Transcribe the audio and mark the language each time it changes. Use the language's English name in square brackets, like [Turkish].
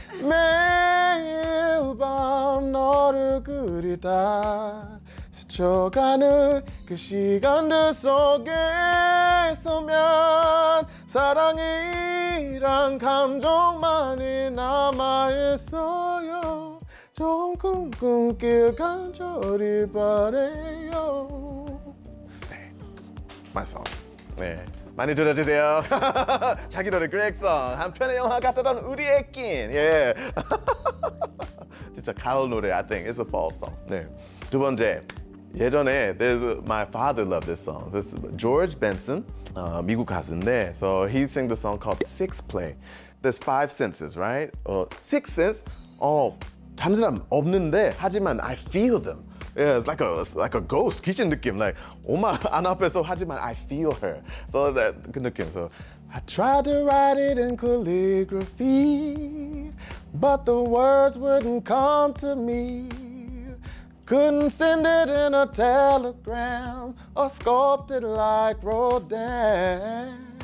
[Korean] 매일 밤 너를 그리다 스쳐가는 그 시간들 속에서면 사랑이란 감정만이 남아있어요 좀 꿈꿈길 간절히 바래요 네, [English] My Song [Korean] 네, 많이 들어주세요 자기 노래 Greg Song 한 편의 영화 같았던 우리의 끼인 예. 진짜 가을 노래 [English] I think it's a fall song [Korean] 네, 두 번째 예전에 [English] my father loved this song. This is George Benson, [Korean] 미국 가수인데 [English] so he sang the song called Six Play There's five senses, right? Six senses? [Korean] 다른 사람 없는데 하지만 [English] I feel them. Yeah, it's like a ghost, [Korean] 귀신 느낌. Like 엄마 안 앞에서 하지만 [English] I feel her. So that [Korean] 그 느낌. [English] So I tried to write it in calligraphy, but the words wouldn't come to me. Couldn't send it in a telegram or sculpt it like Rodin.